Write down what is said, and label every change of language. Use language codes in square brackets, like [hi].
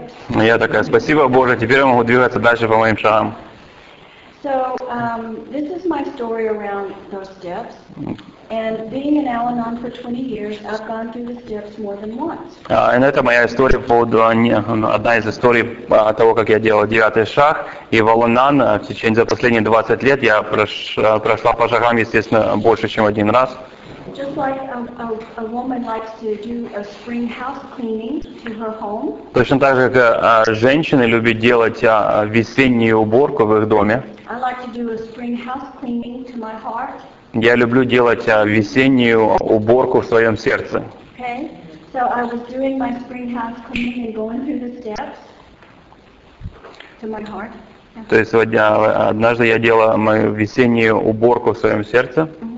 [ru] Я такая, спасибо, Боже, теперь я могу двигаться дальше по моим шагам. [en] So, this is my story around those steps. And being in Al-Anon for 20 years, I've gone through the steps more than once. [ru] И это моя история по поводу, одна из историй того, как я делал 9-й шаг. И в Al-Anon в течение за последние 20 лет я прошла по шагам, естественно, больше, чем один раз. [en] Just like a woman likes to do a spring house cleaning to her home. [ru] Точно так же, как женщины любят делать весеннюю уборку в их доме. [en] I like to do a spring house cleaning to my heart. [ru] Я люблю делать весеннюю уборку в своем сердце. [en] Okay, so I was doing my spring house cleaning and going through the steps to my heart. [ru] То есть сегодня однажды я делала мою весеннюю уборку в своем сердце.